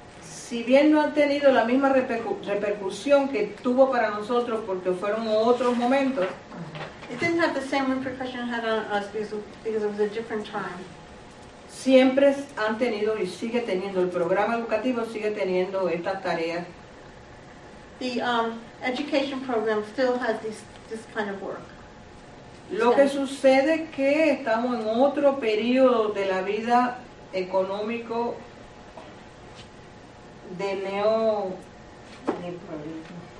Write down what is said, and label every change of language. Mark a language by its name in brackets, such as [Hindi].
[Spanish] Si bien no han tenido la misma repercusión que tuvo para nosotros porque fueron otros momentos, [English] it didn't have the same repercussion it had on us because it was a different time. [Spanish] Siempre han tenido y sigue teniendo, el programa educativo sigue teniendo estas tareas. [English] The education program still has this kind of work. [Spanish] Lo que sucede es que estamos en otro periodo de la vida económico de neoliberalismo.